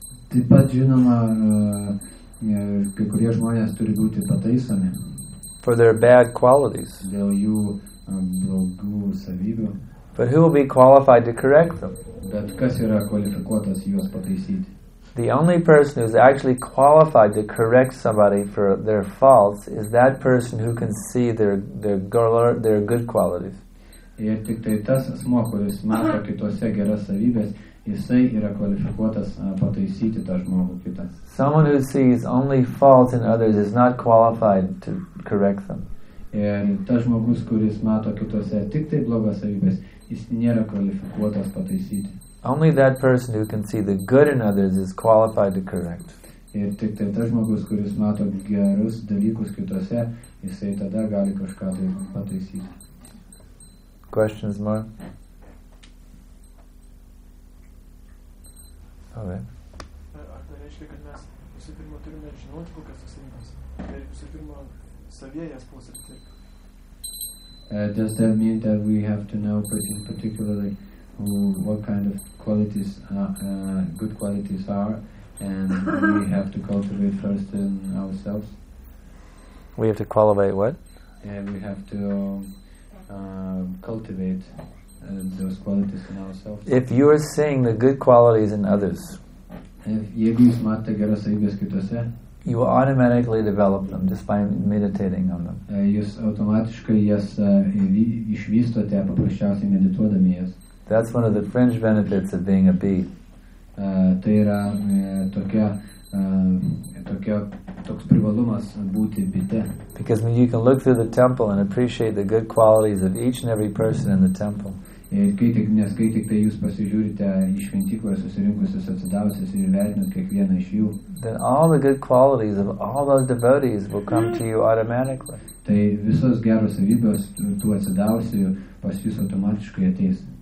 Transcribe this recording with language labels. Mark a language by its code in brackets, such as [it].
[lt] Taip pat žinoma, kai kurie žmonės turi būti pataisami. [en] For their bad qualities. [lt] Dėl jų blogų savybių. [en] But who will be qualified to correct them? [lt] Bet kas yra kvalifikuotas juos pataisyti? [en] The only person who is actually qualified to correct somebody for their faults is that person who can see their good qualities. [lt] Ir tik tai tas asmuo, kuris mato kitose geras savybės, jisai yra kvalifikuotas pataisyti tą žmogų kitą. [en] Someone who sees only faults in others is not qualified to correct them. [lt] Ir tas žmogus, kuris mato kitose tik tai blogas savybės, jis nėra kvalifikuotas pataisyti. [en] Only that person who can see the good in others is qualified to correct. [lt] Ir tik tai tas žmogus, kuris mato gerus dalykus kitose, jisai tada gali kažką tai pataisyti. [en] Questions more? Okay. [lt] Ar tai reiškia, kad mes visų pirma turime žinoti, kokias susirinkimas? Ir visų pirma, savėjas pusėti. [en] Does that mean that we have to know particularly what kind of qualities, good qualities are, and we have to cultivate first in ourselves? We have to cultivate what? And we have to cultivate those qualities in ourselves. If you are seeing the good qualities in others, [lt] jeigu jūs matote geras savybės kitose, [en] you will automatically develop them just by meditating on them. [lt] Jūs automatiškai jas išvystote paprasčiausiai medituodami jas. [en] That's one of the fringe benefits of being a bee. [lt] Tai yra toks privalumas būti bite. [en] Because when you can look through the temple and appreciate the good qualities of each and every person in the temple. [lt] Kai tik jūs pasižiūrite į šventyklą susirinkusius atsidavusius ir įvertinat kiekvieną iš jų. [en] Then all the good qualities of all those devotees will come to you automatically. [lt] Tai visos geros savybės tų atsidavusių pas jūs automatiškai ateis.